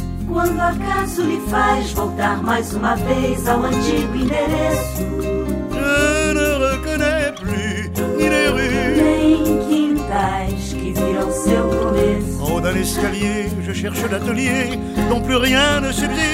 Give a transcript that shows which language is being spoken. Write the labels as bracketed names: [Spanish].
[Portuguese] Quando acaso lhe faz voltar mais uma vez ao antigo endereço, [French] je ne reconnais plus ni les rues, [Portuguese] nem quintais que viram seu começo. [French] En haut d'un escalier, je cherche l'atelier dont plus rien ne subsiste.